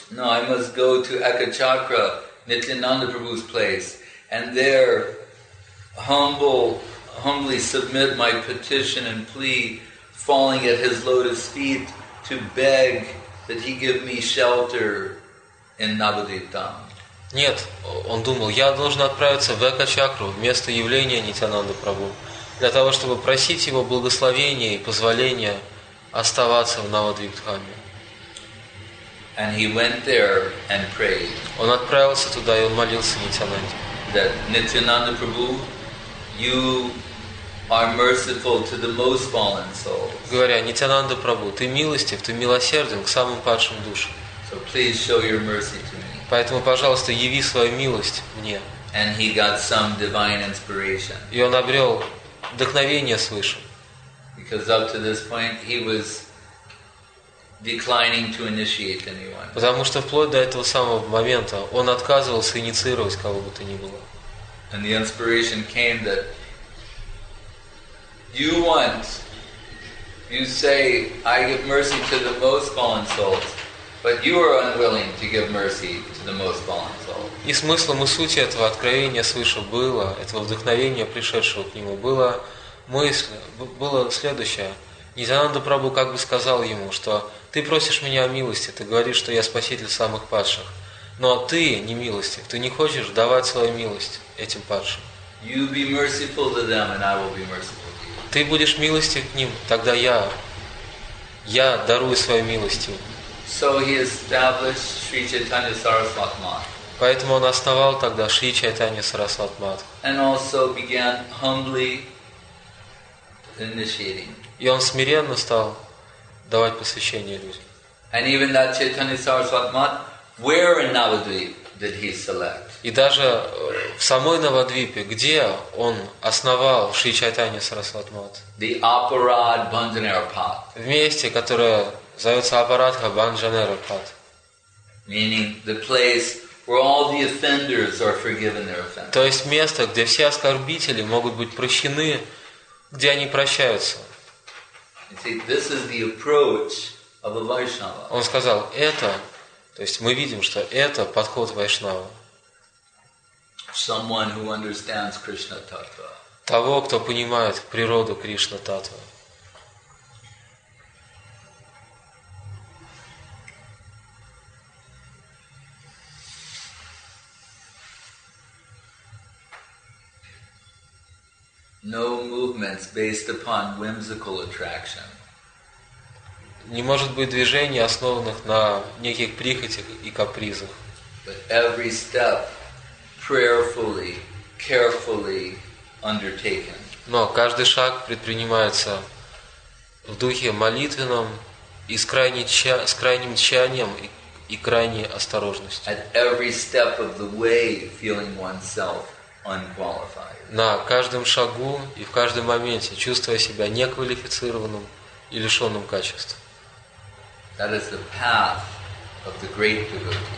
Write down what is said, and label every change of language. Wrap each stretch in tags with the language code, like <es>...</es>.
<en>No, I must go to Ekachakra, Nityananda Prabhu's place, and there humbly submit my petition and plea, falling at his lotus feet to beg that he give me shelter in Navadvip Dham.</en> <ru>Нет, он думал, я должен отправиться в Ekachakra, в место явления Нитянанды Прабху. Для того, чтобы просить его благословения и позволения оставаться в Навадвипдхаме.</ru> <en>And he went there and prayed.</en> <ru>Он отправился туда и он молился Нитянанде.</ru> <en>That Nityananda Prabhu, you are merciful to the most fallen souls.</en> <ru>Говоря, Нитянанда Прабху, ты милостив, ты милосерден к самым падшим душам.</ru> <en>So please show your mercy to me.</en> <ru>Поэтому, пожалуйста, яви свою милость мне.</ru> <en>And he got some divine inspiration.</en> <ru>И он обрел вдохновение свыше.</ru> <en>Because up to this point he was declining to initiate anyone.</en> <ru>Потому что вплоть до этого самого момента он отказывался инициировать кого бы то ни было.</ru> <en>And the inspiration came that you want, you say, I give mercy to the most fallen souls, but you are unwilling to give mercy to the most fallen soul.</en> <ru>И смыслом и сутью этого откровения свыше было, этого вдохновения, пришедшего к нему, было мысль, было следующее. Нитянанда Прабху как бы сказал ему, что Ты просишь меня о милости, ты говоришь, что я спаситель самых падших. Но ты не милостив, ты не хочешь давать свою милость этим падшим.</ru> <en>You be merciful to them, and I will be merciful to you.</en> <ru>Ты будешь милостив к ним, тогда я дарую свою милость.</ru> <en>So he established Sri Chaitanya Saraswat Math.</en> <ru>Поэтому он основал тогда Шри Чайтанья Сарасват Матх.</ru> <en>And also began humbly initiating.</en> <ru>И он смиренно стал давать посвящение людям.</ru> <en>And even that Chaitanya Saraswat Math, where in Navadvip did he select?</en> <ru>И даже в самой Навадвипе, где он основал Шри Чайтанья Сарасват Матх?</ru> <en>The Aparad Bhanjanera Path.</en> <ru>В месте, которое зовется Апарадха Бханджанера Пат.</ru> <en>Meaning the place where all the offenders are forgiven their offenses.</en> <ru>То есть место, где все оскорбители могут быть прощены, где они прощаются.</ru> <en>You see, this is the approach of a Vaishnava.</en> <ru>Он сказал, это, то есть мы видим, что это подход Вайшнава.</ru> <en>Someone who understands Krishna Tattva.</en> <ru>Того, кто понимает природу Кришна Таттва.</ru> <en>No movements based upon whimsical attraction.</en> <ru>Не может быть движений, основанных на неких прихотях и капризах.</ru> <en>But every step prayerfully, carefully undertaken.</en> <ru>Но каждый шаг предпринимается в духе молитвенном и с крайним тщанием и крайней осторожностью.</ru> <en>At every step of the way, feeling oneself unqualified.</en> <ru>На каждом шагу и в каждом моменте чувствуя себя неквалифицированным и лишенным качеств.</ru> <en>That is the path of the great devotees.</en>